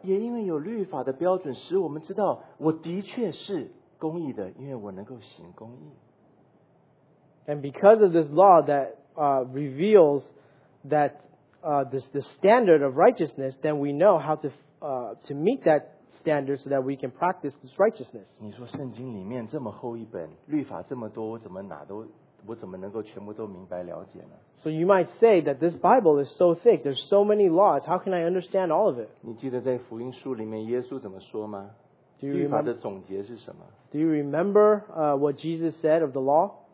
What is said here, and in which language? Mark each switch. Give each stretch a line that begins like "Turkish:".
Chinese: 也因为有律法的标准, 使我们知道我的确是 公义的, 因为我能够行公义。
English: And because of this law that reveals that the standard of righteousness, then we know how to meet that standard so that we can practice this righteousness.
Chinese: 你说圣经里面这么厚一本, 律法这么多, 我怎么能够全部都明白了解呢?
English: So you might say that this Bible is so thick, there's so many laws, how can I understand all of it?
Chinese: 你记得在福音书里面耶稣怎么说吗?
English: Do you remember what Jesus said of the law?